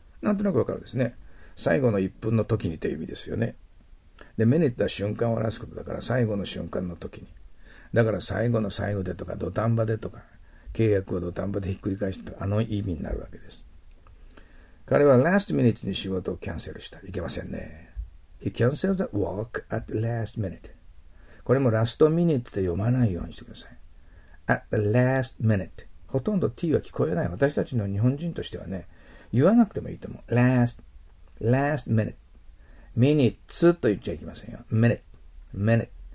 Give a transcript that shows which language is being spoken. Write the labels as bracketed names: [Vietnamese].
[Japanese] なんとなく分かるですね。最後の1分の時にという意味ですよね。で、minute は瞬間を表すことだから、最後の瞬間の時に。だから最後の最後でとか、土壇場でとか、契約を土壇場でひっくり返すと、意味になるわけです。彼は last minute に仕事をキャンセルした。いけませんね。 [English] He canceled the work at the last minute. [Japanese] これもラストミニッツで読まないようにしてください。 [English] At the last minute. [Japanese] ほとんど T は聞こえない。私たちの日本人としてはね、言わなくてもいいと思う。 [English] Last minute. [Japanese] ミニッツと言っちゃいけませんよ。 [English] Minute.